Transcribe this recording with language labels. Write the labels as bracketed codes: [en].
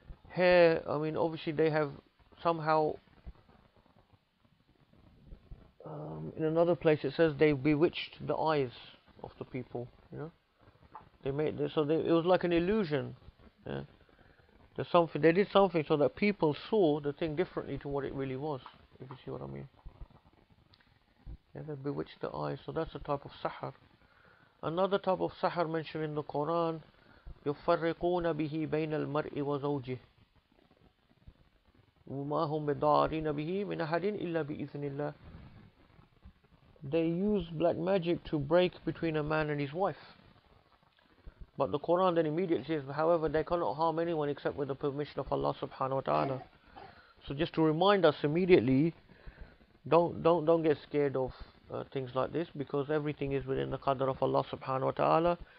[en] Obviously they have somehow, in another place it says they bewitched the eyes of the people, you know. They made this, so it was like an illusion. They did something so that people saw the thing differently to what it really was, if you see what I mean. Yeah, they bewitched the eyes, so that's a type of sahar. Another type of sahar mentioned in the Quran, [ar] يُفَرِّقُونَ بِهِ بَيْنَ الْمَرْءِ وَزَوْجِهِ وَمَا هُمْ بِدَارِينَ بِهِ مِنَ أَحَدٍ إِلَّا بِإِذْنِ اللَّهِ. [en] they use black magic to break between a man and his wife. But the Quran then immediately says, however, they cannot harm anyone except with the permission of Allah subhanahu wa ta'ala. So just to remind us immediately, don't get scared of things like this, because everything is within the qadr of Allah subhanahu wa ta'ala.